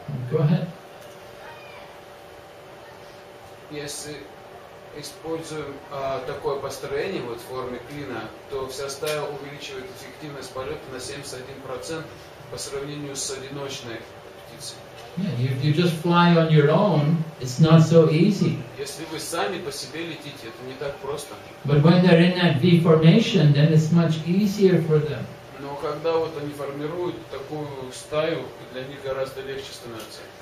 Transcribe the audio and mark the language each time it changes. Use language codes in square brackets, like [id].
[en] Go ahead. [ru] Если используем такое построение вот в форме клина, то вся стая увеличивает эффективность полета на 71%. По сравнению с одиночной птицей. [en] Yeah, you just fly on your own, it's not so easy. [ru] Если вы сами по себе летите, это не так просто. [en] But when they're in that V formation, then it's much easier for them. [ru] Но когда вот они формируют такую стаю, для них гораздо легче становится.